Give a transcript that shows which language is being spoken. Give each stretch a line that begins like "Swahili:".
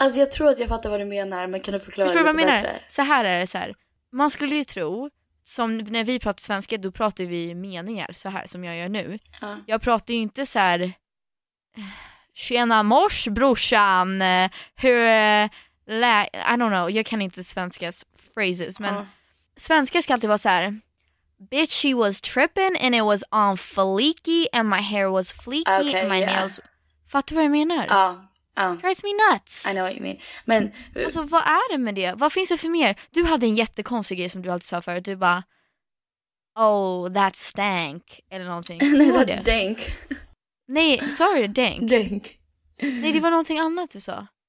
Swedish: Alltså jag tror att jag fattar vad du menar, men kan du förklara lite bättre? Menar? Så här är det så här. Man skulle ju tro, som när vi pratar svenska, då pratar vi meningar så här som jag gör nu. Jag pratar ju inte så här, tjena mors, brorsan, hur...
English: I don't know,
Swedish: jag kan inte svenskas phrases, men svenska ska alltid vara så här:
English: bitch, she was tripping and it was on fleeky and my hair was fleeky, okay, and my nails...
Swedish: Fattar du vad jag menar? Ja.
English: Drives me nuts. I know what you mean.
Swedish: Men, alltså, vad är det med det? Vad finns det för mer? Du hade en jättekonstig grej som du alltid sa för. Du bara,
English: oh, that stank.
Swedish: Eller någonting. Nej,
English: that stank.
Swedish: Nej,
English: sorry, dank. Dank.
Swedish: Nej, det var någonting annat du sa.